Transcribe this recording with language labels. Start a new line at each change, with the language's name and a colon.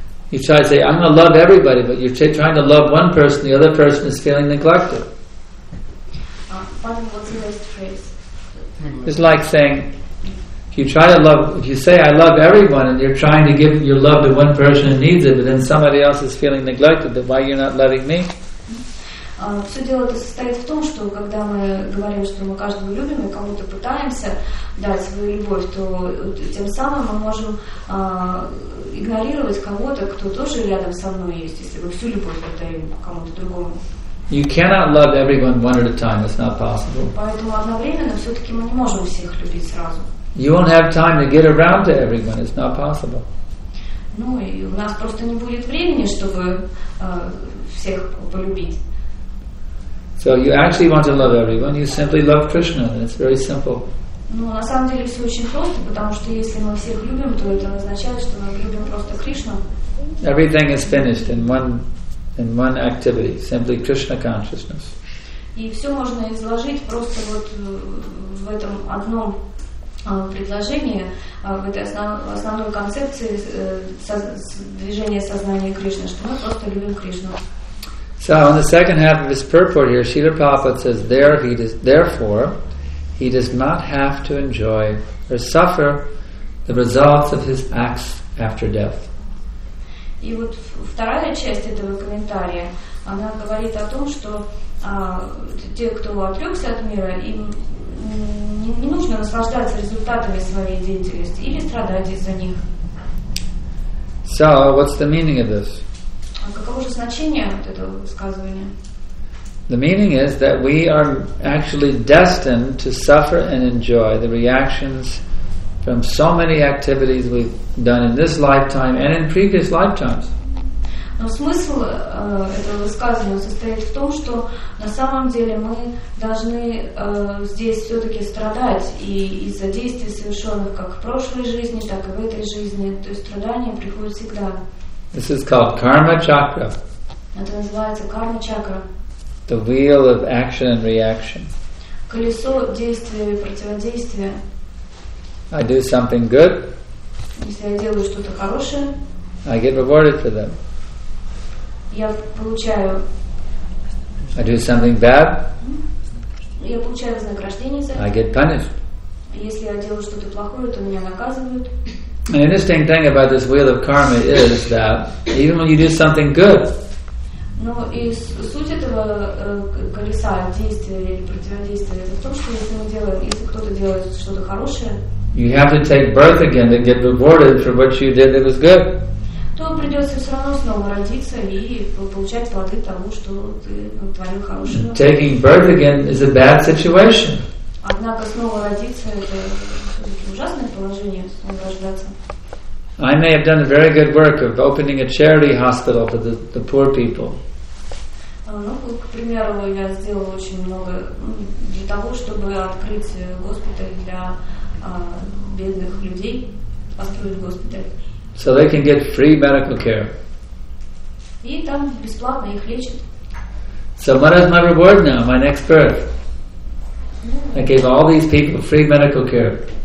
English: You try to say, I'm going to love everybody, but you're trying to love one person, the other person is feeling neglected. Pardon, what's the last phrase? It's like saying, if you say I love everyone, and you're trying to give your love to one person who needs it, but then somebody else is feeling neglected, then why you're not loving me?
Russian: Все дело состоит в том, что когда мы говорим, что мы каждого любим и кому-то пытаемся дать свою любовь, то тем самым мы можем игнорировать кого-то, кто тоже рядом со мной есть, если мы всю любовь отдаем кому-то другому.
English: You cannot love everyone one at a time. It's not possible.
Russian: Поэтому одновременно все-таки мы не можем всех любить сразу.
English: You won't have time to get around to everyone. It's not possible.
Russian: Ну и у нас просто не будет времени, чтобы всех полюбить.
English: So you actually want to love everyone, you simply love Krishna, and it's very simple.
Russian: Ну, на самом деле все очень просто, потому что если мы всех любим, то это означает, что мы любим просто Кришну.
English: Everything is finished in one activity, simply Krishna consciousness.
Russian: И все можно изложить просто вот в этом одном предложении, в этой основной концепции движения сознания Кришны, что мы просто любим Кришну.
English: So in the second half of his purport here, Srila Prabhupada says, therefore, he does not have to enjoy or suffer the results of his acts after death.
Russian: И вот вторая часть этого комментария, она говорит о том, что те, кто отрекся от мира, им не нужно наслаждаться результатами своей деятельности или страдать из-за них.
English: So what's the meaning of this?
Russian: Каково же значение вот этого высказывания?
English: The meaning is that we are actually destined to suffer and enjoy the reactions from so many activities we've done in this lifetime and in previous lifetimes.
Russian: Но смысл этого высказывания состоит в том, что на самом деле мы должны здесь все-таки страдать и из-за действий, совершенных как в прошлой жизни, так и в этой жизни. То есть страдания приходят всегда.
English: This is called karma chakra.
Russian: Это называется карма чакра.
English: The wheel of action and reaction.
Russian: Колесо действия и противодействия.
English: I do something good.
Russian: Если я делаю что-то хорошее.
English: I get rewarded for that.
Russian: Я получаю.
English: I do something bad.
Russian: Я получаю вознаграждение за это.
English: I get punished.
Russian: Если я делаю что-то плохое, то меня наказывают.
English: An interesting thing about this wheel of karma is that even when you do something good,
Russian: ну и суть этого колеса действия или противодействия это в том, что если мы делаем, если кто-то делает что-то хорошее,
English: you have to take birth again to get rewarded for what you did that was good.
Russian: То придется все равно снова родиться и получать плоды того, что ты творил хорошее.
English: Taking birth again is a bad situation.
Russian: Однако снова родиться это ужасное положение, снова рождаться.
English: I may have done a very good work of opening a charity hospital for the poor people.
Russian: Ну, к примеру, я сделала очень много для того, чтобы открыть госпиталь для бедных людей, построить госпиталь.
English: So they can get free medical care.
Russian: И там бесплатно их лечат.
English: So what is my reward now, my next birth? I gave all these people free medical care.